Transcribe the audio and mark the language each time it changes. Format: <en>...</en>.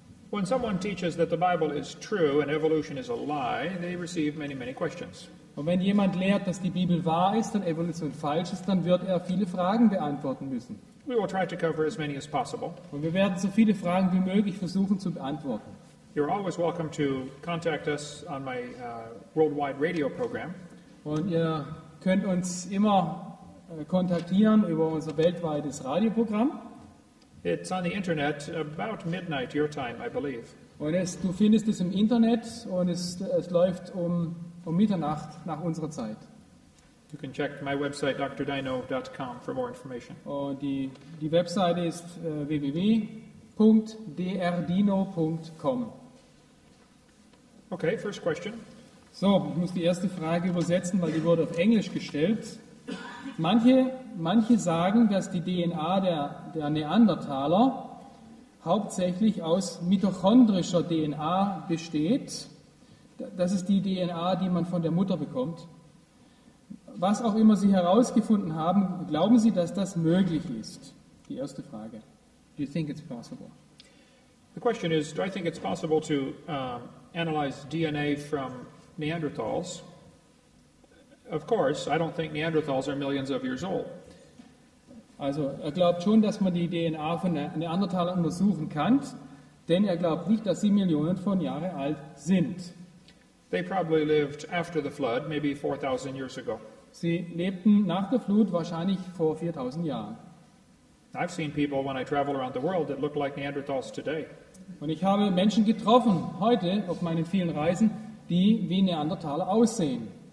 <en>When someone teaches that the Bible is true and evolution is a lie, they receive many, many questions.</en> <de>Und wenn jemand lehrt, dass die Bibel wahr ist und Evolution falsch ist, dann wird er viele Fragen beantworten müssen.</de> <en>We will try to cover as many as possible.</en> <de>Und wir werden so viele Fragen wie möglich versuchen zu beantworten.</de> <en>You're always welcome to contact us on my worldwide radio program.</en> <de>Und ihr könnt uns immer kontaktieren über unser weltweites Radioprogramm.</de> <en>It's on the internet about midnight your time, I believe.</en> <de>Und du findest es im Internet und es läuft um Mitternacht nach unserer Zeit.</de> <en>You can check my website drdino.com for more information.</en> <de>Und die Website ist www.drdino.com.</de> <en>Okay, first question.</en> <de>So, ich muss die erste Frage übersetzen, weil die wurde auf Englisch gestellt. Manche sagen, dass die DNA der Neandertaler hauptsächlich aus mitochondrischer DNA besteht. Das ist die DNA, die man von der Mutter bekommt. Was auch immer Sie herausgefunden haben, glauben Sie, dass das möglich ist? Die erste Frage.</de> <en>Do you think it's possible? The question is, do I think it's possible to analyze DNA from Neanderthals? Of course, I don't think Neanderthals are millions of years old.</en> <de>Also, er glaubt schon, dass man die DNA von Neandertalern untersuchen kann, denn er glaubt nicht, dass sie Millionen von Jahren alt sind.</de> <en>They probably lived after the flood, maybe 4,000 years ago.</en> <de>Sie lebten nach der Flut wahrscheinlich vor 4,000 Jahren.</de> <en>I've seen people when I travel around the world that look like Neanderthals today.</en> <de>Und ich habe Menschen getroffen heute auf meinen vielen Reisen, die wie Neandertaler aussehen.</de>